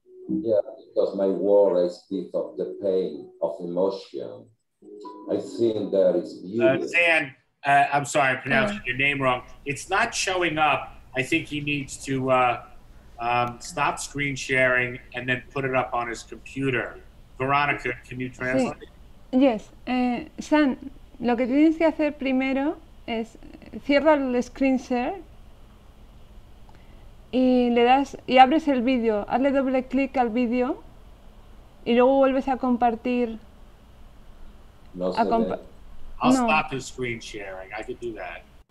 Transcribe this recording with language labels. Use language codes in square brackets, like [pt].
[en] Yeah, because my word, I speak of the pain of emotion. I think that it's beautiful. Xan, I'm sorry, I pronounced your name wrong. It's not showing up. I think he needs to stop screen sharing and then put it up on his computer. Veronica, can you translate? Sí. Yes. [es] Xan, lo que tienes que hacer primero es cierra el screen share y le das y abres el vídeo. Hazle doble clic al vídeo y luego vuelves a compartir. [en] No, I'll stop the screen sharing. I could do that.